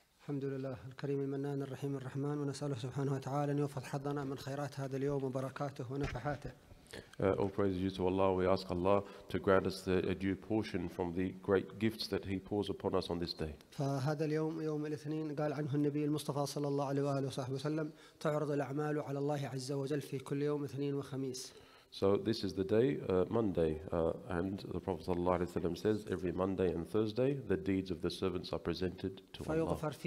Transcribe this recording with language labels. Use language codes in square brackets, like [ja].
[ar] الحمد لله الكريم المنان الرحيم الرحمن ونسأله سبحانه وتعالى أن يوفق حظنا من خيرات هذا اليوم وبركاته ونفحاته. [en] All praise due to Allah. We ask Allah to grant us a due portion from the great gifts that He pours upon us on this day. [ar] فهذا اليوم يوم الاثنين قال عنه النبي المصطفى صلى الله عليه وآله وصحبه وسلم تعرض الأعمال على الله عز وجل في كل يوم اثنين وخميس. [en] So this is the day, Monday, and the Prophet sallallahu alaihi wasallam says, every Monday and Thursday, the deeds of the servants are presented to Allah.